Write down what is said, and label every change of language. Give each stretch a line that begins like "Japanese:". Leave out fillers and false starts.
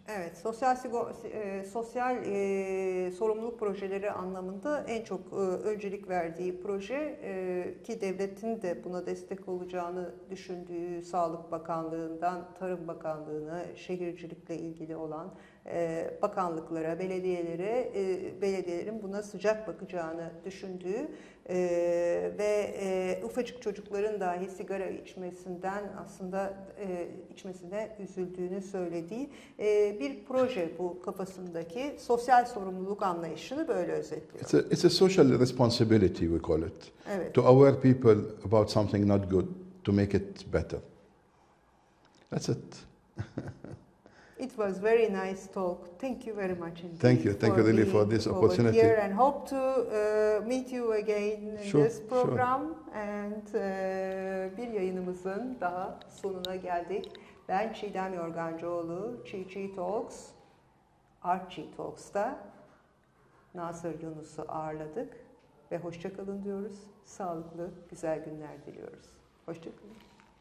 Turkish: Evet, sosyal sorumluluk projeleri anlamında en çok öncelik verdiği proje, ki devletin de buna destek olacağını düşündüğü Sağlık Bakanlığı'ndan Tarım Bakanlığı'na, şehircilikle ilgili olan bakanlıklara, belediyelere, belediyelerin buna sıcak bakacağını düşündüğü ve ufacık çocukların dahi sigara içmesinden aslında içmesine üzüldüğünü söylediği bir proje bu kafasındaki sosyal sorumluluk anlayışını böyle özetliyor.
English: It's a social responsibility we call it.
Turkish: Evet.
English: To aware people about something not good, to make it better. That's it. It was very nice talk. Thank you very much. Thank you. Thank you really for this opportunity. Here and hope to meet you again in this program. Sure. And
Turkish: bir yayınımızın daha sonuna geldik. Ben Çiğdem Yorgancıoğlu, Çiğ Talks, Art Çiğ Talks'ta Nasser Yunus'u ağırladık. Ve hoşça kalın diyoruz. Sağlıklı, güzel günler diliyoruz. Hoşça kalın.